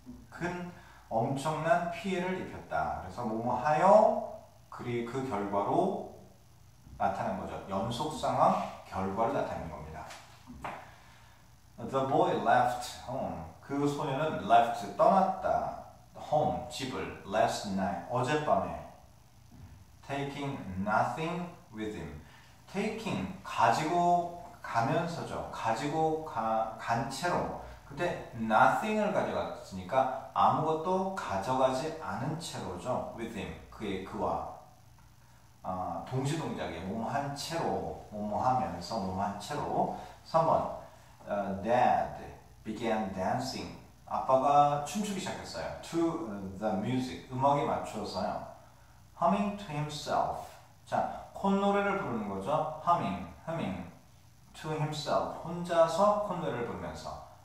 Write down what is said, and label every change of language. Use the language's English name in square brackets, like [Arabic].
[Korean] 큰 엄청난 피해를 입혔다. 그래서 뭐뭐 하여 그리 그 결과로 나타난 거죠. 연속 상황 결과를 나타내는 겁니다. [English] The boy left home. [Korean] 그 소녀는 left 떠났다. [English] Home [Korean] 집을 [English] last night [Korean] 어젯밤에 [English] taking nothing with him. [Korean] Taking 가지고 가면서죠. 가지고 간 채로. 그때 nothing을 가져갔으니까 아무것도 가져가지 않은 채로죠. [English] With him [Korean] 그의 그와 동시동작에 뭐뭐 한 채로 뭐뭐 하면서 뭐뭐 한 채로. [English] 3번 Dad began dancing. [Korean] 아빠가 춤추기 시작했어요. [English] To the music [Korean] 음악에 맞춰서요. [English] Humming to himself. [Korean] 자, 콧노래를 부르는 거죠. [English] Humming to himself. [Korean] 혼자서 콧노래를 부르면서.